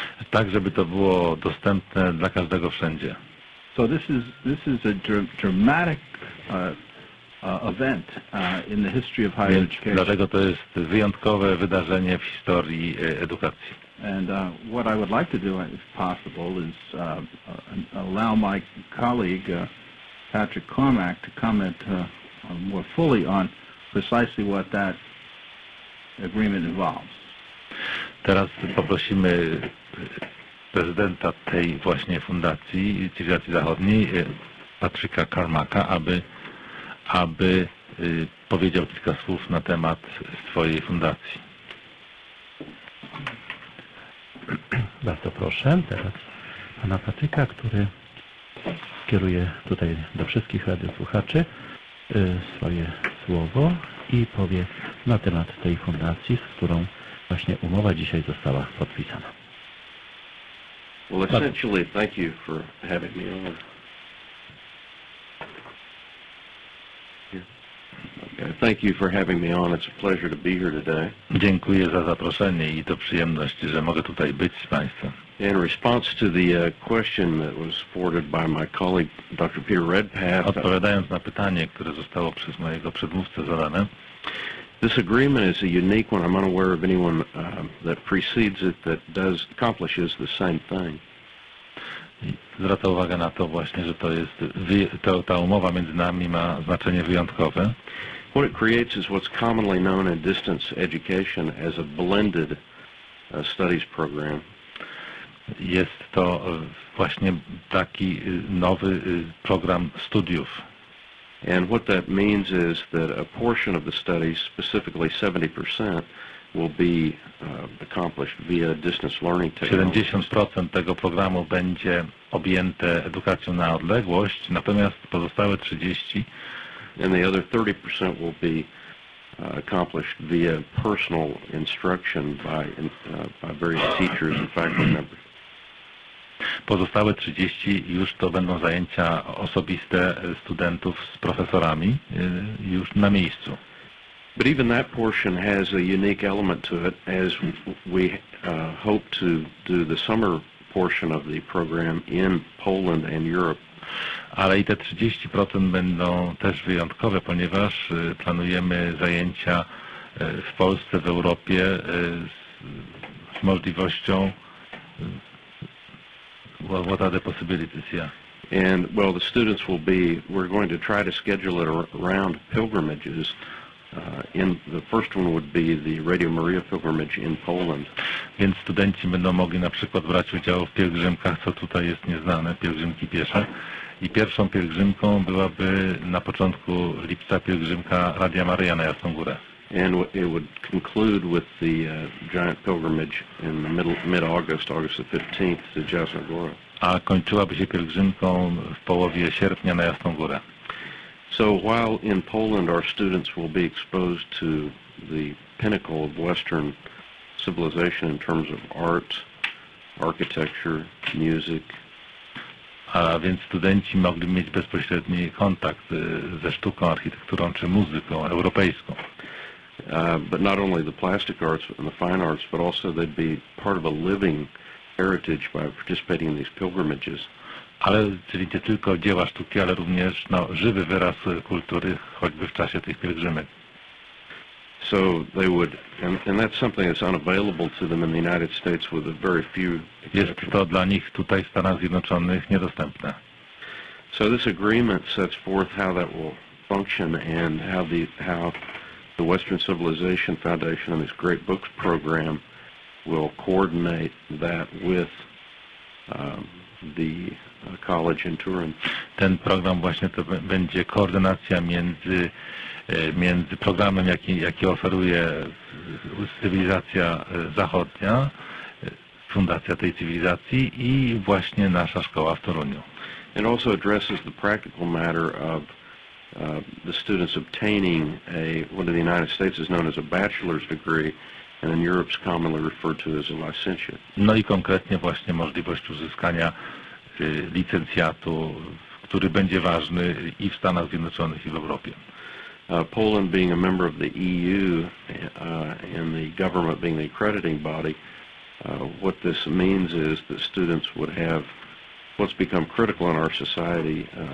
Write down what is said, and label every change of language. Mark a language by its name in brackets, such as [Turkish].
[Polish] Tak, żeby to było dostępne dla każdego wszędzie. [English] So this is a dramatic event in the history of higher education. [Polish] Dlatego to jest wyjątkowe wydarzenie w historii edukacji. [English] And what I would like to do, if possible, is allow my colleague Patrick Carmack to comment more fully on precisely what that agreement involves. [Polish] Teraz poprosimy prezydenta tej właśnie fundacji, Cywilizacji Zachodniej, Patryka Carmacka, aby powiedział kilka słów na temat swojej fundacji. Bardzo proszę teraz pana Patryka, który kieruje tutaj do wszystkich radiosłuchaczy swoje słowo i powie na temat tej fundacji, z którą właśnie umowa dzisiaj została podpisana. [English] Well, essentially, thank you for having me on. Thank you for having me on. It's a pleasure to be here today. [Polish] Dziękuję za zaproszenie i to przyjemność, że mogę tutaj być z Państwem. [English] In response to the question that was forwarded by my colleague, Dr. Peter Redpath. [Polish] Odpowiadając na pytanie, które zostało przez mojego przedmówcę zadane. [English] This agreement is a unique one. I'm unaware of anyone that precedes it that does accomplishes the same thing. [Polish] Zwraca uwagę na to właśnie, że to jest ta umowa między nami ma znaczenie wyjątkowe. [English] What it creates is what's commonly known in distance education as a blended studies program. [Polish] Jest to właśnie taki nowy program studiów. [English] And what that means is that a portion of the studies, specifically 70%, will be accomplished via distance learning technology. [Polish] 70% tego programu będzie objęte edukacją na odległość, natomiast pozostałe 30%. [English] And the other 30% will be accomplished via personal instruction by various teachers and faculty members. [Polish] Pozostałe 30 już to będą zajęcia osobiste studentów z profesorami już na miejscu. [English] But even that portion has a unique element to it as we hope to do the summer portion of the program in Poland and Europe. [Polish] Ale i te 30% będą też wyjątkowe, ponieważ planujemy zajęcia w Polsce, w Europie z możliwością. [English] Well, what are the possibilities? Yeah. And well, the students will be. We're going to try to schedule it around pilgrimages. In the first one would be the Radio Maria pilgrimage in Poland. [Polish] Więc studenci będą mogli na przykład brać udział w pielgrzymkach, co tutaj jest nieznane, pielgrzymki piesze. I pierwszą pielgrzymką byłaby na początku lipca pielgrzymka Radia Maria na Jasną Górę. [English] And it would conclude with the giant pilgrimage in mid-August, August the 15th, to Jasna Góra. [Polish] a kończyłaby się pielgrzymką w połowie sierpnia na Jasną Górę. [English] So while in Poland our students will be exposed to the pinnacle of Western civilization in terms of art, architecture, music. [Polish] A więc studenci mogli mieć bezpośredni kontakt ze sztuką, architekturą czy muzyką europejską. [English] But not only the plastic arts and the fine arts, but also they'd be part of a living heritage by participating in these pilgrimages. [Polish] Ale czyli nie tylko dzieła sztuki, ale również no, żywy wyraz kultury, choćby w czasie tych pielgrzymek. [English] So they would, and that's something that's unavailable to them in the United States with a very few exceptions. [Polish] Jest to dla nich tutaj w Stanach Zjednoczonych niedostępne. [English] So this agreement sets forth how that will function and how the Western Civilization Foundation and this Great Books program will coordinate that with the college in Turin. [Polish] Ten program właśnie to będzie koordynacja między programem, jaki oferuje cywilizacja zachodnia, fundacja tej cywilizacji i właśnie nasza szkoła w Toruniu. [English] It also addresses the practical matter of the students obtaining what in the United States is known as a bachelor's degree, and in Europe's commonly referred to as a licentiate. [Polish] No i konkretnie właśnie możliwość uzyskania licencjatu, który będzie ważny i w Stanach Zjednoczonych i w Europie. [English] Poland being a member of the EU and the government being the accrediting body, what this means is that students would have what's become critical in our society.